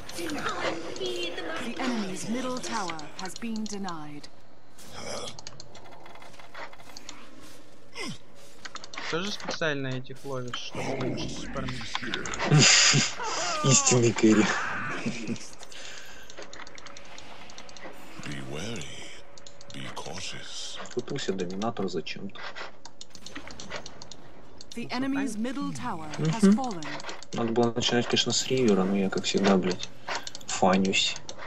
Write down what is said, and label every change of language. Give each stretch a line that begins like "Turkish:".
English: The enemy's middle tower has been denied.
Russian: Что же специально этих ловишь, чтобы не спармить? Истинный керри.
English: Be wary, be cautious.
Russian: Тут у себя доминатор зачем-то.
English: The enemy's middle tower has fallen.
Russian: Надо было начинать, конечно, с ривера, но я, как всегда, блядь, фанюсь.